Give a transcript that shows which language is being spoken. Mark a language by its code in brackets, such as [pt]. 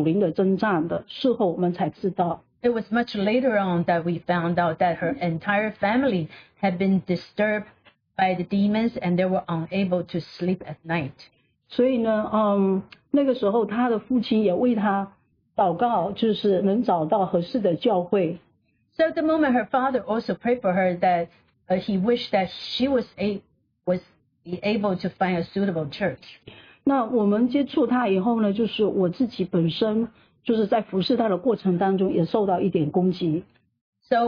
[zh] 其实我们事后才知道，就是说他们一家人是被魔鬼，就是一直搅扰的，不能睡觉，然后就是一直有这些属灵的征战的。事后我们才知道。 [en] It was much later on that we found out that her entire family had been disturbed by the demons and they were unable to sleep at night. [zh] 所以呢，那个时候她的父亲也为她祷告，就是能找到合适的教会。 [en] So at the moment, her father also prayed for her that he wished that she was able to find a suitable church. [zh] 那我们接触她以后呢，就是我自己本身。就是在服侍她的过程当中也受到一点攻击。 [en] So